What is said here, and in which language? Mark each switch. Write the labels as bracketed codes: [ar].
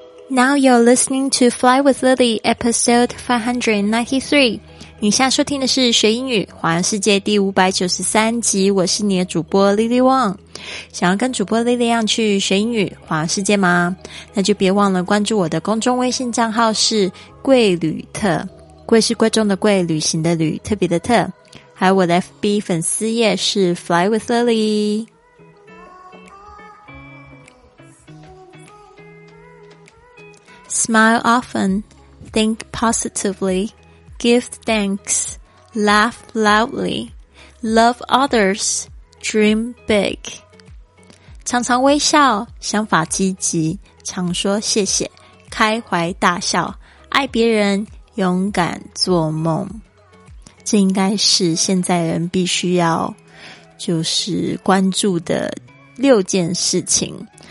[en] Now you're listening to Fly with Lily, episode 593. [zh] 你现在收听的是学英语环游世界第593集，我是你的主播 Lily Wang。想要跟主播 Lily 一样去学英语环游世界吗？那就别忘了关注我的公众微信账号，是贵旅特，贵是贵重的贵，旅行的旅，特别的特。还有我的 FB 粉丝页是 Fly with Lily。 [en] Smile often, think positively, give thanks, laugh loudly, love others, dream big. [zh] 常常微笑，想法积极，常说谢谢，开怀大笑，爱别人，勇敢做梦。这应该是现在人必须要就是关注的六件事情。